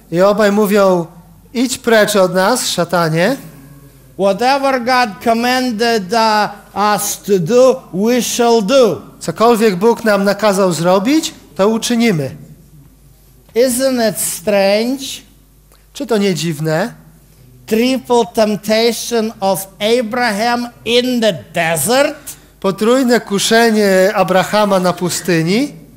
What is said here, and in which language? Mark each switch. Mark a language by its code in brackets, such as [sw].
[pl] I obaj mówią, idź precz od nas, szatanie. [en] Whatever God commanded us to do, we shall do. [pl] Cokolwiek Bóg nam nakazał zrobić, to uczynimy. [en] Isn't it strange? [pl] Czy to nie dziwne? [en] Triple temptation of Abraham in the desert. [pl] Potrójne kuszenie Abrahama na pustyni.